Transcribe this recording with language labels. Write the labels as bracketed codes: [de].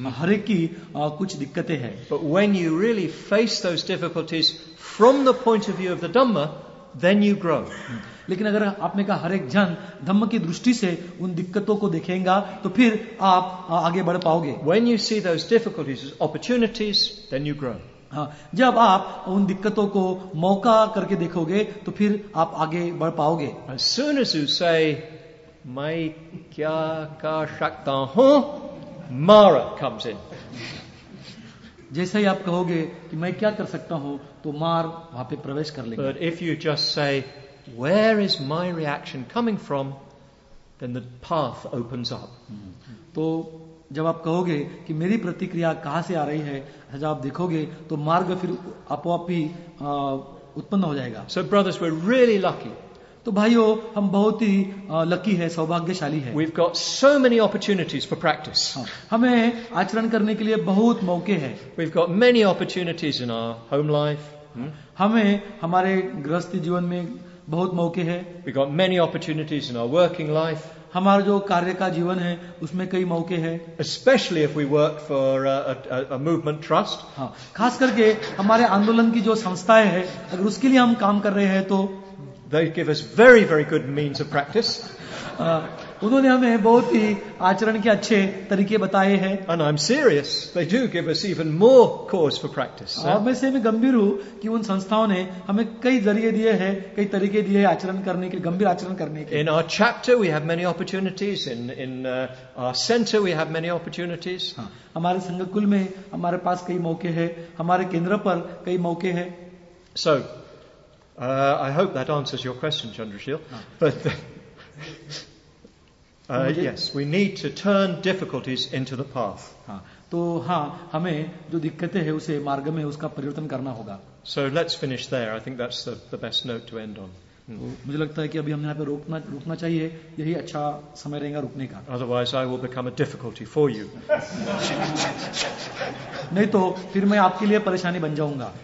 [hi] हर एक की कुछ दिक्कतें हैं. [en] But when you really face those difficulties from the point of view of the Dhamma, then you grow. [hi] लेकिन अगर आपने कहा हर एक जन धम्म की दृष्टि से उन दिक्कतों को देखेगा तो फिर आप आगे बढ़ पाओगे. [en] When you see those difficulties as opportunities, then you grow. [hi] जब आप उन दिक्कतों को मौका करके देखोगे तो फिर आप आगे बढ़ पाओगे. [en] As soon as you say, [hi] मैं क्या कर सकता हूं, [en] मारा comes in. [hi] जैसे ही आप कहोगे कि मैं क्या कर सकता हूं तो मार वहां पे प्रवेश कर लेगा. [en] But if you just say, where is my reaction coming from, then the path opens up. [hi] तो जब आप कहोगे कि मेरी प्रतिक्रिया कहां से आ रही है, जब आप देखोगे तो मार्ग फिर आपो आप ही उत्पन्न हो जाएगा. [en] So brothers, we're really lucky. [hi] तो भाइयों हम बहुत ही लकी है, सौभाग्यशाली है. [en] We've got so many opportunities for practice. [hi] हमें आचरण करने के लिए बहुत मौके हैं. [en] We've got many opportunities in our home life. [hi] हमें हमारे गृहस्थ जीवन में बहुत मौके हैं. [en] We've got many opportunities in our working life. [hi] हमारा जो कार्य का जीवन है उसमें कई मौके हैं. [en] Especially if we work for a movement trust. [hi] खास करके हमारे आंदोलन की जो संस्थाएं हैं अगर उसके लिए हम काम कर रहे हैं तो [en] they give us very, very good means of practice. [hi] उन्होंने हमें बहुत ही आचरण के अच्छे तरीके बताए हैं. [en] And I'm serious. They do give us even more cause for practice. [hi] और मैं सही में गंभीर हूँ कि उन संस्थाओं ने हमें कई जरिए दिए हैं, कई तरीके दिए हैं आचरण करने के, गंभीर आचरण करने के. [en] In our chapter, we have many opportunities. In our center, we have many opportunities. [hi] हमारे संघकुल में हमारे पास कई मौके हैं, हमारे केंद्र पर कई मौके हैं. [en] So. I hope that answers your question, Chandrashil. But yes, we need to turn difficulties into the path. [hi] तो हाँ, हमें जो दिक्कतें हैं उसे मार्ग में उसका परिवर्तन करना होगा. [en] So let's finish there. I think that's the best note to end on. [hi] मुझे लगता है कि अभी हमें यहाँ पे रुकना चाहिए. यही अच्छा समय रहेगा रुकने का. [en] Otherwise, I will become a difficulty for you. [hi] नहीं तो फिर मैं आपके लिए परेशानी बन जाऊंगा.